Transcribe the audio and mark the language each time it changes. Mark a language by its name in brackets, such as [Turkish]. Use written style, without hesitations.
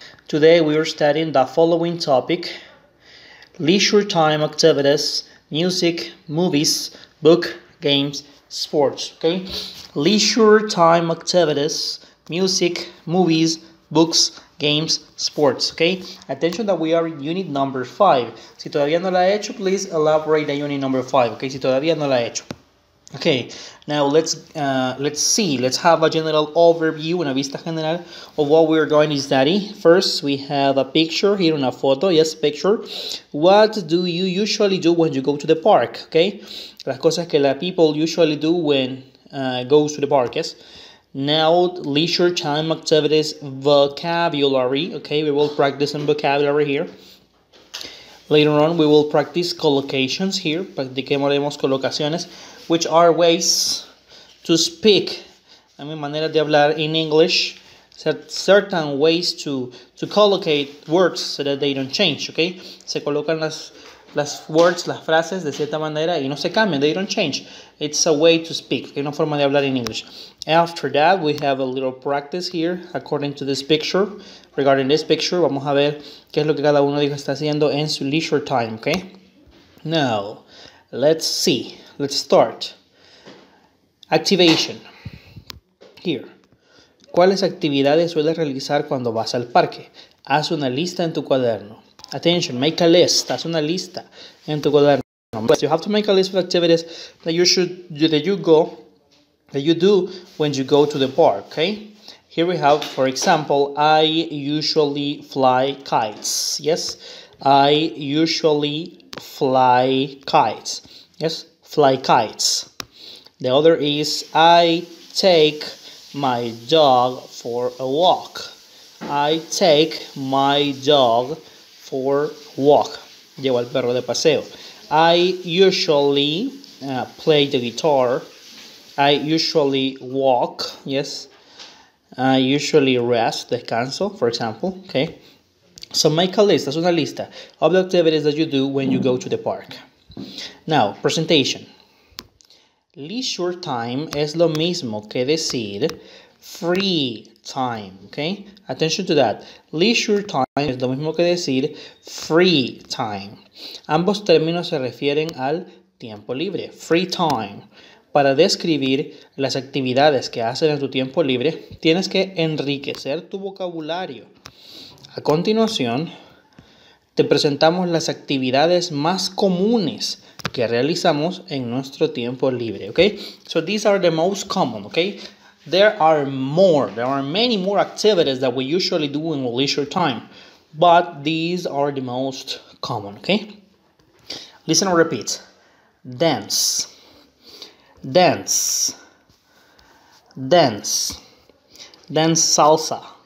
[English] Today we are studying the following topic: leisure time activities, music, movies, book, games, sports, okay? Leisure time activities, music, movies, books, games, sports, okay? Attention that we are in unit number 5. [Spanish] Si todavía no la ha hecho, [English] please elaborate the unit number 5, okay? [Spanish] Si todavía no la ha hecho. [English] Okay, now let's have a general overview, [Spanish] una vista general [English] of what we are going to study. First, we have a picture here, [Spanish] una foto, [English] yes, picture. What do you usually do when you go to the park, okay? [Spanish] Las cosas que la [English] people usually do when goes to the park, yes? Now, leisure time activities, vocabulary, okay, we will practice some vocabulary here. Later on, we will practice collocations here, [Spanish] practiquemos colocaciones, [English] which are ways to speak, I mean, [Spanish] manera de hablar [English] in English, certain ways to collocate words so that they don't change, okay, [Spanish] se colocan las [English] words, [Spanish] las frases de cierta manera y no se cambian, [English] they don't change. It's a way to speak, [Spanish] es una forma de hablar en English. [English] After that, we have a little practice here, according to this picture. Regarding this picture, [Spanish] vamos a ver qué es lo que cada uno dijo está haciendo en su leisure time, okay? [English] Now, let's see. Let's start. Activation. Here. [Spanish] ¿Cuáles actividades sueles realizar cuando vas al parque? Haz una lista en tu cuaderno. [English] Attention, make a list. [Spanish] Haz una lista en tu cuaderno. [English] You have to make a list of activities that you should do, that you do when you go to the park, okay? Here we have, for example, I usually fly kites. Yes, I usually fly kites. Yes, fly kites. The other is I take my dog for a walk. I take my dog for walk, [Spanish] llevo al perro de paseo. [English] I usually play the guitar. I usually walk, yes. I usually rest, [Spanish] descanso, [English] for example, okay. So make a list, [Spanish] haz una lista [English] of the activities that you do when you go to the park. Now, presentation. [Spanish] Leisure time es lo mismo que decir free time, okay? [English] Attention to that. [Spanish] Leisure time es lo mismo que decir free time. Ambos términos se refieren al tiempo libre, free time. Para describir las actividades que haces en tu tiempo libre, tienes que enriquecer tu vocabulario. A continuación, te presentamos las actividades más comunes que realizamos en nuestro tiempo libre, okay? [English] So these are the most common, okay? There are more, there are many more activities that we usually do in leisure time, but these are the most common, okay? Listen and repeat. Dance. Dance. Dance. Dance salsa.